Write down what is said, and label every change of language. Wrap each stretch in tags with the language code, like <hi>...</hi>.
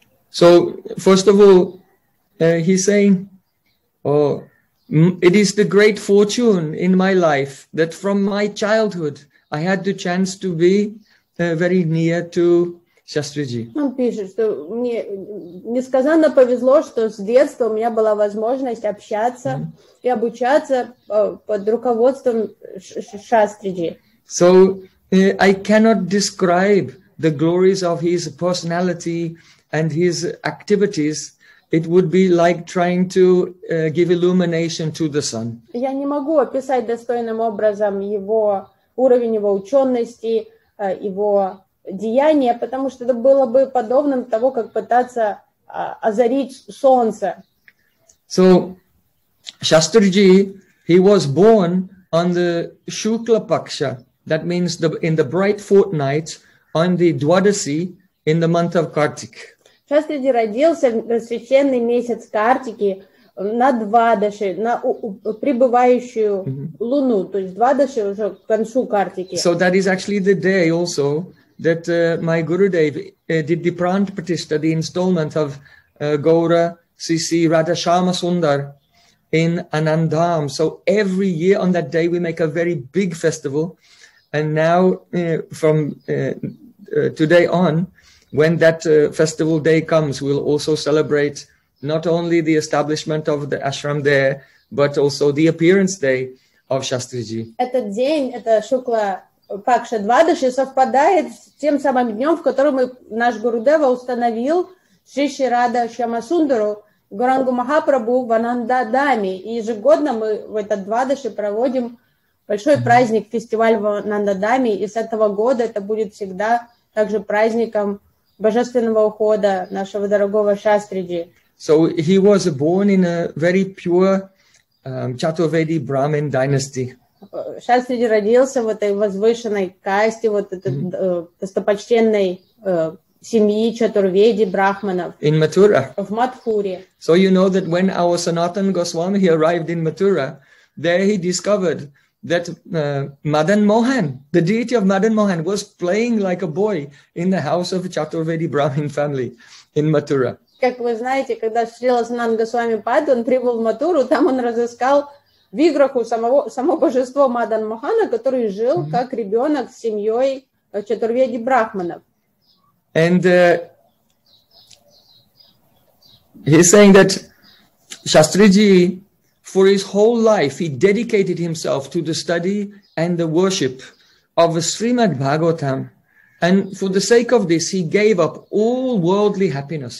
<en>So, first of all, he's saying, oh, it is the great fortune in my life that from my childhood I had the chance to be very near to Shastriji.</en> <ru>Он пишет, что мне несказанно повезло, что с детства у меня была возможность общаться и обучаться под руководством Шастриджи.</ru> <en>So, I cannot describe the glories of his personality and his activities, it would be like trying to give illumination to the sun.</en> <ru>Я не могу описать достойным образом его уровень, его учености, его деяния, потому что это было бы подобным того, как пытаться озарить солнце.</ru> <en>So, Shastriji, he was born on the Shukla Paksha, that means in the bright fortnight on the Dwadasi in the month of Kartik.</en> <ru>Шастриджи родился в священный месяц Картики на Двадаши, на прибывающую луну, то есть Двадаши уже к концу Картики.</ru> <en>So that is actually the day also that my Gurudev did the Pran Pratishtha, the installment of Gaura Sisi Radha Shama Sundar in Anandham. So every year on that day we make a very big festival, and now from today on, when that festival day comes, we'll also celebrate not only the establishment of the ashram there, but also the appearance day of Shastriji.</en> <ru>Этот день, это Шукла Пакша Двадаши, совпадает с тем самым днем, в котором наш Гурудева установил Шиши Рада Шамасундару, Гурангу Махапрабху Вананда Дами. И ежегодно мы в этот Двадаши проводим большой праздник, фестиваль Вананда Дами. И с этого года это будет всегда также праздником божественного ухода нашего дорогого Шастриджи.</ru> <en>So he was born in a very pure Chaturvedi Brahmin dynasty.</en> <ru>Шастриджи родился в этой возвышенной касте, вот этой достопочтенной семьи Чатурведи Брахманов.</ru> <en>In Mathura.</en> <ru>В Матхуре.</ru> <en>So you know that when our Sanatan Goswami arrived in Mathura, there he discovered that Madan Mohan, the deity of Madan Mohan, was playing like a boy in the house of a Chaturvedi Brahmin family in Mathura.</en> <ru>Как вы знаете, когда Шрила Сананда Госвами Пад, он прибыл в Матуру, там он разыскал виграху само божество Мадан Мохана, который жил как ребенок с семьей Чатурведи Брахманов.</ru> <en>And he's saying that Shastriji, for his whole life, he dedicated himself to the study and the worship of a Srimad Bhagavatam. And for the sake of this, he gave up all worldly happiness.</en>